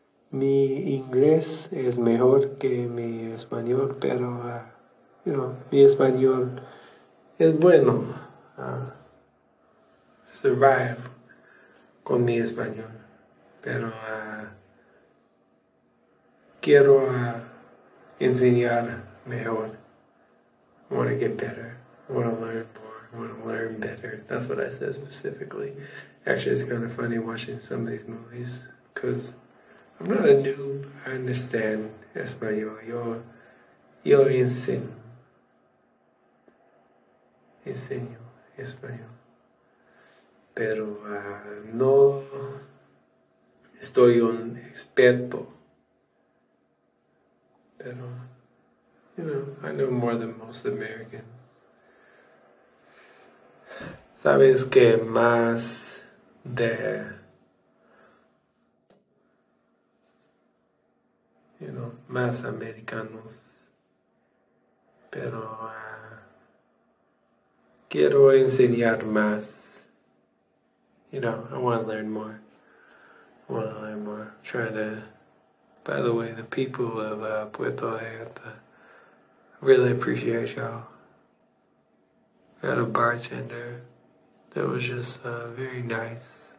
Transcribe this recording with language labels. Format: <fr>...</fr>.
<es>Mi inglés es mejor que mi español, pero,</es> <en>you know,</en> <es>mi español es bueno. Survive. Con mi español, pero quiero enseñar mejor.</es> <en>I want to get better. I want to learn more. I want to learn better. That's what I said specifically. Actually, it's kind of funny watching some of these movies because I'm not a noob. I understand español.</en> <es>Yo enseño español. Pero no estoy un experto.</es> <en>Pero, you know, I know more than most Americans.</en> <es>Sabes que más de,</es> <en>you know,</en> <es>más americanos. Pero quiero enseñar más.</es> <en>You know, I want to learn more. I want to learn more. Try to... By the way, the people of Puerto Vallarta, I really appreciate y'all. I had a bartender that was just very nice.</en>